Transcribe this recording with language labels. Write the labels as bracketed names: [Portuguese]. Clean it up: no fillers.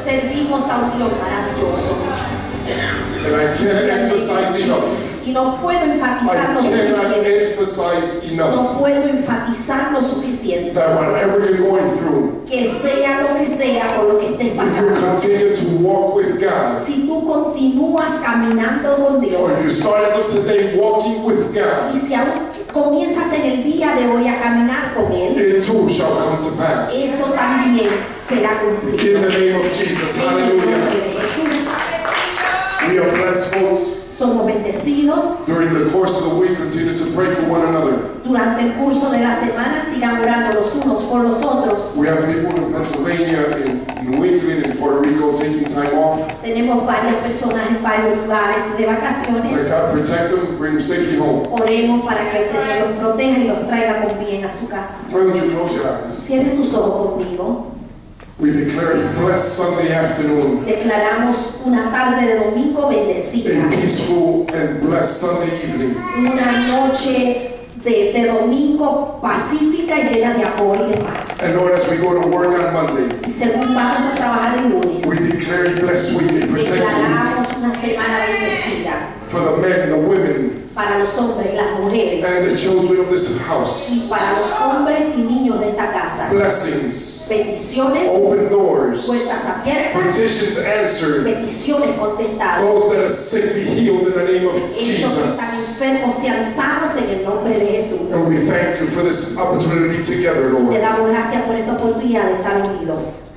[Spanish] Servimos a un Dios maravilloso. [English] And I can't emphasize enough. [Spanish] Y no puedo enfatizar lo suficiente. [English] I cannot emphasize enough. [Spanish] No puedo enfatizar lo suficiente. [English] That whatever you're going through. [Spanish] Que sea lo que sea o lo que estés pasando. [English] If you continue to walk with God. [Spanish] Si tú continúas caminando con Dios. [English] Or if you start as of today walking with God. [Spanish] Y si aún comienzas en el día de hoy a caminar con Él. [English] It too shall come to pass. [Spanish] Eso también será cumplido. [English] In the name of Jesus. Hallelujah. We are blessed, folks. [Spanish] Somos bendecidos. [English] During the course of the week, continue to pray for one another. [Spanish] Durante el curso de la semana, sigan orando los unos por los otros. [English] We have people in Pennsylvania, in New England, in Puerto Rico, taking time off. [Spanish] Tenemos varias personas en varios lugares de vacaciones. [English] Let God protect them, bring them safely home. [Spanish] Oremos para que el Señor los proteja y los traiga con bien a su casa. [English] Why don't you close your eyes? [Spanish] Cierre sus ojos conmigo. [English] We declare a blessed Sunday afternoon. [Spanish] Declaramos una tarde de domingo bendecida. [English] A peaceful and blessed Sunday evening. [Spanish] Una noche de domingo pacífica y llena de amor y de paz. [English] And Lord, as we go to work on Monday. [Spanish] Y según vamos a trabajar el lunes. [English] We declare a blessed week and protect you. [Spanish] Declaramos una semana bendecida. [English] For the men, the women. [Spanish] Para los hombres, las mujeres. [English] And the children of this house. [Spanish] Y para los hombres y niños de esta casa. [English] Blessings. [Spanish] Bendiciones. [English] Open doors. [Spanish] Puertas abiertas. [English] Petitions answered. [Spanish] Peticiones contestadas. [English] Those that are sick be healed in the name of Jesus. [Spanish] Esos que están enfermos sean sanos en el nombre de Jesús. [English] And we thank you for this opportunity together, Lord. [Spanish] Te damos gracias por esta oportunidad de estar unidos.